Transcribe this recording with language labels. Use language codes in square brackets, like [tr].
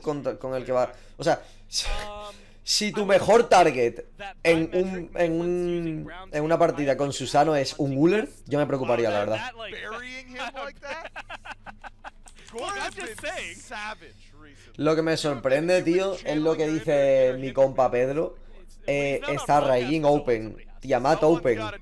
[es] Con el que va, o sea, si tu mejor target en una partida con Susano es un Uller, yo me preocuparía, la verdad. [en] Burying him like that? Gore has been savage recently. [es] Lo que me sorprende, tío, es lo que dice mi compa Pedro. Está Raijin open, Tiamat open.